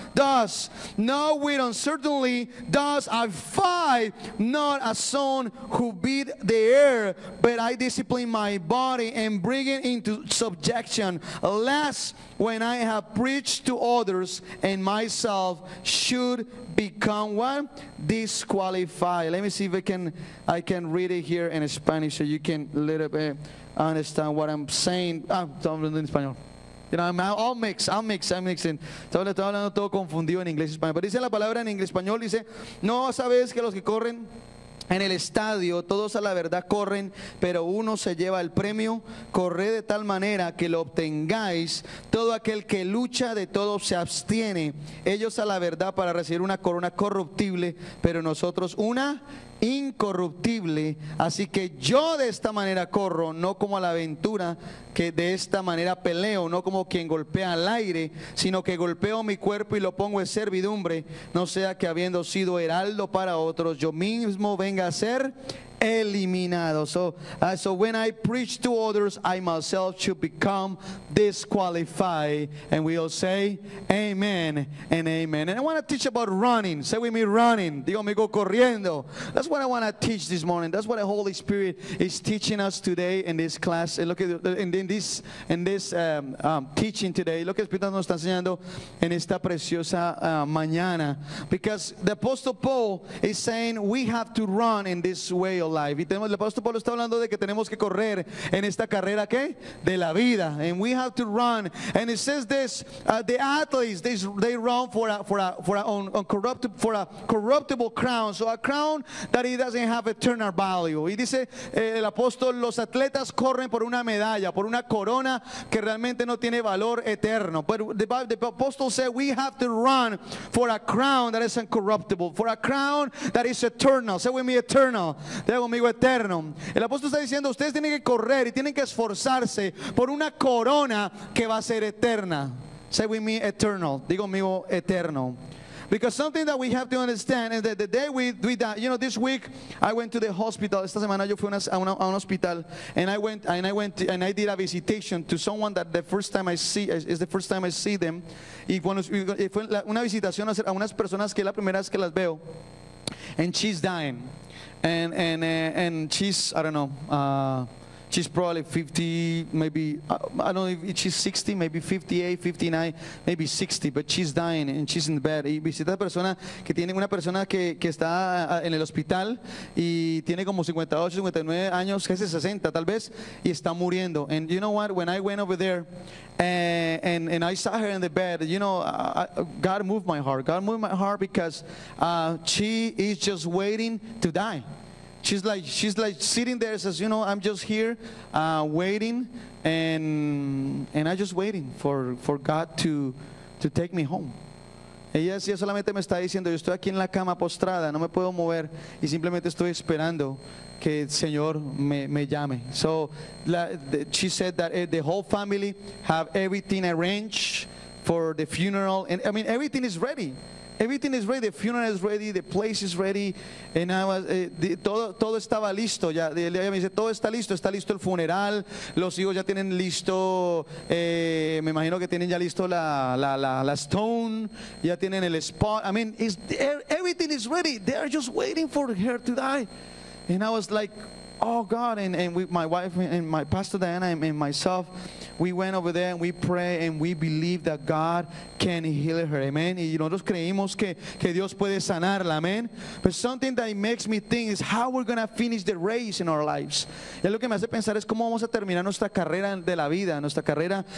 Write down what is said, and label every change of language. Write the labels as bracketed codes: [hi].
[en] Thus, not with uncertainty, thus I fight, not as someone who beat the air, but I discipline my body and bring it into subjection, lest when I have preached to others and myself should become what? Disqualified. Let me see if I can read it here in Spanish so you can a little bit understand what I'm saying. I'm talking in Spanish. You know, I'm mixing. [es] Todo estoy hablando todo confundido en inglés y español. Pero dice la palabra en inglés español, dice, no sabes que los que corren en el estadio, todos a la verdad corren, pero uno se lleva el premio. Corre de tal manera que lo obtengáis. Todo aquel que lucha de todo se abstiene. Ellos a la verdad para recibir una corona corruptible, pero nosotros una incorruptible. Así que yo de esta manera corro, no como a la aventura, que de esta manera peleo, no como quien golpea al aire, sino que golpeo mi cuerpo y lo pongo en servidumbre, no sea que habiendo sido heraldo para otros, yo mismo venga a ser eliminado. [en] So when I preach to others, I myself should become disqualified. And we all say amen and amen. And I want to teach about running. Say with me, running. [es] Digo, me go corriendo. [en] That's what I want to teach this morning. That's what the Holy Spirit is teaching us today in this class. And look at in this teaching today. [es] Lo que el Espíritu nos está enseñando en esta preciosa mañana. [en] Because the Apostle Paul is saying we have to run in this way of life. [es] Y tenemos, el Apóstol Pablo está hablando de que tenemos que correr en esta carrera, ¿qué? De la vida. [en] And we have to run. And it says this, the athletes, they run for a corruptible crown. So a crown that it doesn't have eternal value. [es] Y dice el apóstol, los atletas corren por una medalla, por una corona que realmente no tiene valor eterno. [en] But the apostle said, we have to run for a crown that is incorruptible, for a crown that is eternal. Say with me, eternal. [es] Conmigo, eterno. El apóstol está diciendo, ustedes tienen que correr y tienen que esforzarse por una corona que va a ser eterna. [en] Say with me, eternal. [es] Digo conmigo, eterno. [en] Because something that we have to understand is that the day we do that, you know, this week I went to the hospital. [es] Esta semana yo fui a un hospital, [en] and I did a visitation to someone that the first time I see them. [es] Y cuando fue una visitación a unas personas que es la primera vez que las veo, [en] and she's dying. And she's, I don't know, she's probably 50, maybe, I don't know if she's 60, maybe 58, 59, maybe 60, but she's dying and she's in the bed. [es] Y visita a persona que tiene una persona que está en el hospital y tiene como 58, 59 años, casi 60 tal vez, y está muriendo. [en] And you know what, when I went over there, And I saw her in the bed, you know, God moved my heart. God moved my heart because she is just waiting to die. She's like sitting there, says, you know, I'm just here waiting, and I'm just waiting for God to take me home. [es] Ella decía, solamente me está diciendo, yo estoy aquí en la cama postrada, no me puedo mover, y simplemente estoy esperando que el Señor me llame. [en] So she said that the whole family have everything arranged for the funeral, and I mean everything is ready. Everything is ready, the funeral is ready, the place is ready, and I was [es] todo estaba listo ya. Ella me dice, todo está listo el funeral, los hijos ya tienen listo, me imagino que tienen ya listo la stone, ya tienen el spot. [en] I mean, everything is ready. They are just waiting for her to die. And I was like, oh God, and with my wife and my pastor Diana and myself, we went over there and we pray and we believe that God can heal her. Amen. [es] Y nosotros creímos que Dios puede sanarla. [en] Amen. But something that makes me think is how we're going to finish the race in our lives. [es] Y lo que me hace pensar es cómo vamos a terminar nuestra carrera de la vida, nuestra carrera.